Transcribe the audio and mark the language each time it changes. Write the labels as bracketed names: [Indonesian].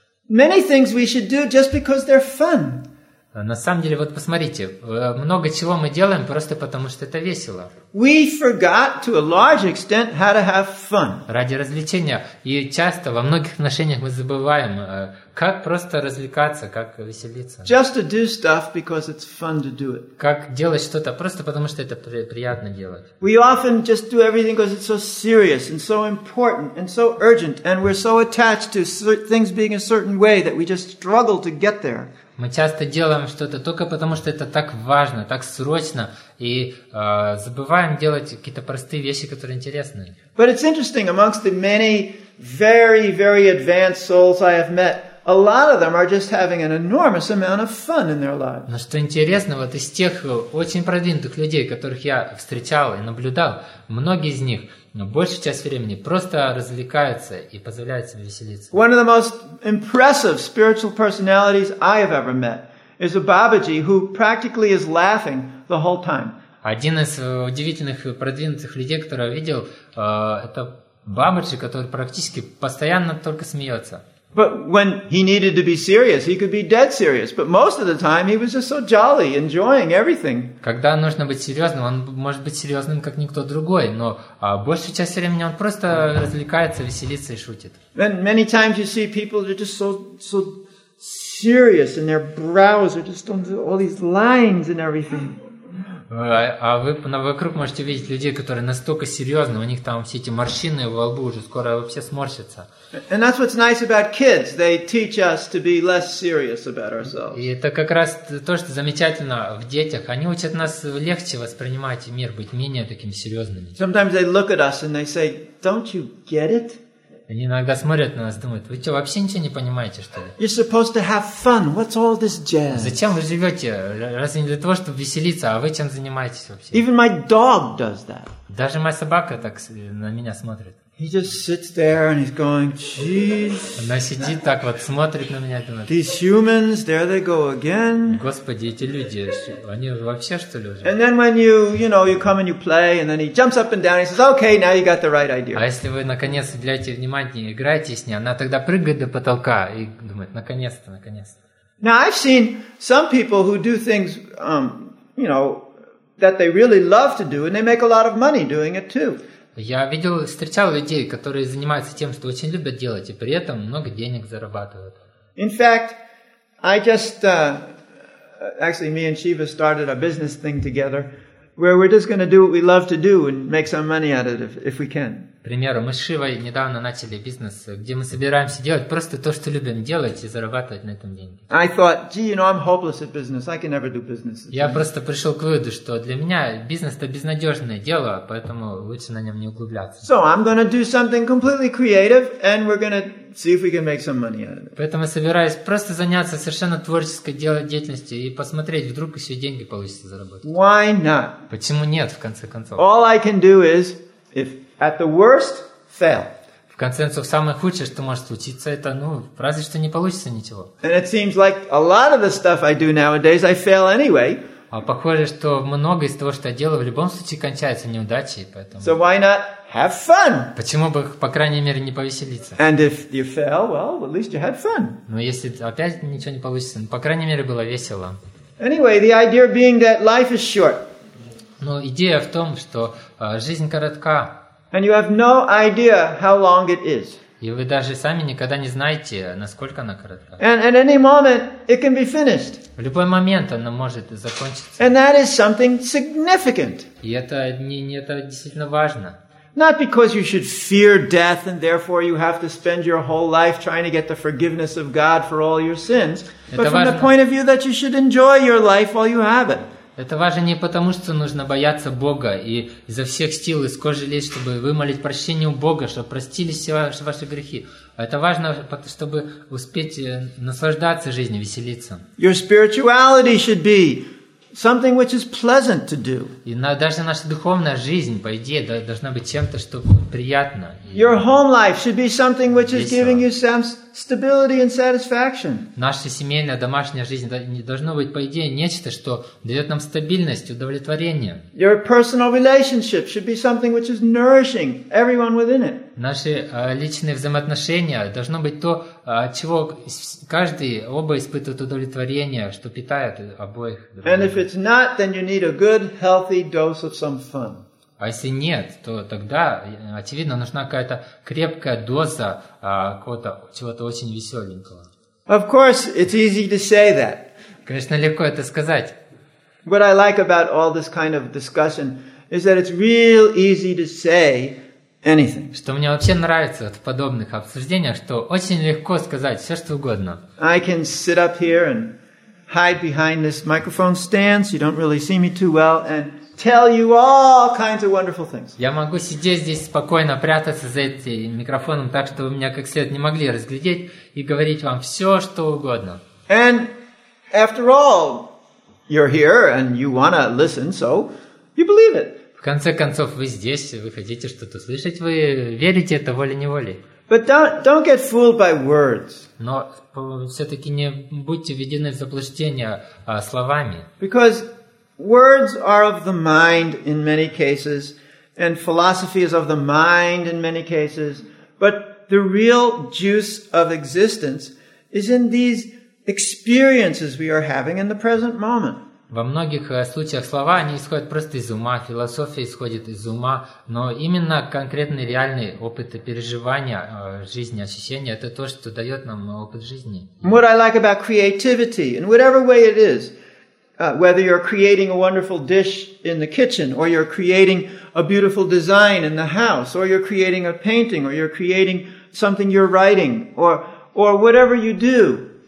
[English] Many things we should do just because they're fun. [Russian] На самом деле, вот посмотрите, много чего мы делаем просто потому, что это весело. [English] We forgot to a large extent how to have fun. [Russian] Ради развлечения. И часто во многих отношениях мы забываем, как просто развлекаться, как веселиться. [English] Just to do stuff because it's fun to do it. [Russian] Как делать что-то просто потому, что это приятно делать. [English] We often just do everything because it's so serious and so important and so urgent, and we're so attached to things being a certain way that we just struggle to get there. [Russian] Мы часто делаем что-то только потому, что это так важно, так срочно, и забываем делать какие-то простые вещи, которые интересны. [English] But it's interesting, amongst the many very, very advanced souls I have met, a lot of them are just having an enormous amount of fun in their lives. [Russian] Но что интересно, вот из тех очень продвинутых людей, которых я встречал и наблюдал, многие из них, но большую часть времени просто развлекаются и позволяют себе веселиться. [English] One of the most impressive spiritual personalities I have ever met is a Babaji who practically is laughing the whole time. [Russian] Один из удивительных продвинутых людей, которого я видел, это Бабаджи, который практически постоянно только смеется. [English] But when he needed to be serious, he could be dead serious. But most of the time, he was just so jolly, enjoying everything. [Russian] Когда нужно быть серьезным, он может быть серьезным, как никто другой. Но большую часть времени он просто развлекается, веселится и шутит. [English] And many times you see people are just so serious, and their brows are just all these lines and everything. [Russian] А вы вокруг можете видеть людей, которые настолько серьезны, у них там все эти морщины во лбу уже скоро вообще сморщатся. [English] And that's what's nice about kids. They teach us to be less serious about ourselves. [Russian] И это как раз то, что замечательно в детях. Они учат нас легче воспринимать мир, быть менее такими серьезными. [English] Sometimes they look at us and they say, "Don't you get it?" [Russian] Они иногда смотрят на нас, думают: вы что, вообще ничего не понимаете, что ли? [English] You're supposed to have fun. What's all this jazz? [Russian] Зачем вы живете? Разве не для того, чтобы веселиться? А вы чем занимаетесь вообще? [English] Even my dog does that. [Russian] Даже моя собака так на меня смотрит. [English] He just sits there and he's going, geez. [Russian] Она сидит так вот, смотрит на меня, думает: [English] these humans, there they go again. [Russian] Господи, эти люди, они вообще что ли уже? [English] And then when you, you know, you come and you play, and then he jumps up and down, he says, okay, now you got the right idea. [Russian] А если вы наконец уделяете внимание, играете с ней, она тогда прыгает до потолка и думает: наконец-то, наконец-то. [English] Now I've seen some people who do things, you know, that they really love to do, and they make a lot of money doing it too. [Russian] Я видел, встречал людей, которые занимаются тем, что очень любят делать, и при этом много денег зарабатывают. [English] In fact, I just actually me and Shiva started a business thing together, where we're just going to do what we love to do and make some money out of it if we can. [Russian] К примеру, мы с Шивой недавно начали бизнес, где мы собираемся делать просто то, что любим делать, и зарабатывать на этом деньги. [English] I thought, gee, you know, I'm hopeless at business. I can never do business. [Russian] Я просто пришел к выводу, что для меня бизнес — это безнадежное дело, поэтому лучше на нем не углубляться. [English] So I'm going to do something completely creative, and we're going to see if we can make some money out of it. [Russian] Поэтому собираюсь просто заняться совершенно творческой деятельностью и посмотреть, вдруг еще деньги получится заработать. [English] Why not? [Russian] Почему нет, в конце концов? [English] All I can do is, if at the worst, fail. [Russian] В конце концов, самое худшее, что может случиться, это, ну, разве что не получится ничего. [English] And it seems like a lot of the stuff I do nowadays, I fail anyway. [Russian] А похоже, что многое из того, что я делаю, в любом случае кончается неудачей, поэтому... [English] So why not have fun? [Russian] Почему бы, по крайней мере, не повеселиться? [English] And if you fail, well, at least you had fun. [Russian] Ну, если опять ничего не получится, ну, по крайней мере, было весело. [English] Anyway, the idea being that life is short. [Russian] Ну, идея в том, что жизнь коротка. [English] And you have no idea how long it is. [Russian] И вы даже сами никогда не знаете, насколько она коротка. [English] And at any moment it can be finished. [Russian] В любой момент она может закончиться. [English] And that is something significant. [Russian] И это действительно важно. [English] Not because you should fear death and therefore you have to spend your whole life trying to get the forgiveness of God for all your sins, but from the point of view that you should enjoy your life while you have it. [Russian] Это важно не потому, что нужно бояться Бога и изо всех сил из кожи лезть, чтобы вымолить прощение у Бога, чтобы простили все ваши грехи. Это важно, чтобы успеть наслаждаться жизнью, веселиться. [English] Your spirituality should be something which is pleasant to do. [Russian] И даже наша духовная жизнь, по идее, должна быть чем-то, что приятно. [English] Your home life should be something which is giving you some stability and satisfaction. [Russian] Наша семейная, домашняя жизнь должно быть, по идее, нечто, что дает нам стабильность, удовлетворение. [English] Your personal relationship should be something which is nourishing everyone within it. [Russian] Наши личные взаимоотношения должно быть то, от чего каждый, оба испытывают удовлетворение, что питает обоих. [English] And if it's not, then you need a good, healthy dose of some fun. [Russian] А если нет, то тогда, очевидно, нужна какая-то крепкая доза какого-то чего-то очень веселенького. [English] Of course, it's easy to say that. [Russian] Конечно, легко это сказать. [English] What I like about all this kind of discussion is that it's real easy to say anything. [Russian] Что мне вообще нравится в подобных обсуждениях, что очень легко сказать все, что угодно. [English] I can sit up here and hide behind this microphone stand, so you don't really see me too well, and tell you all kinds of wonderful things. [Russian] Я могу сидеть здесь спокойно, прятаться за этим микрофоном так, что вы меня как след не могли разглядеть, и говорить вам все, что угодно. [English] And after all, you're here and you want to listen, so you believe it. [Russian] В конце концов, вы здесь, вы хотите что-то слышать, вы верите это волей-неволей. [English] But don't get fooled by words. [Russian] Но все-таки не будьте введены в заблуждение словами. [English] Because words are of the mind in many cases, and philosophy is of the mind in many cases, but the real juice of existence is in these experiences we are having in the present moment. [Russian] Во многих случаях слова, они исходят просто из ума, философия исходит из ума, но именно конкретный реальный опыт и переживания жизни, ощущения — это то, что дает нам опыт жизни. [English] What I like about creativity, in whatever way it is, Whether you're creating a wonderful dish in the kitchen, or you're creating a beautiful design in the house, or you're creating a painting, or you're creating something you're writing, or whatever you do.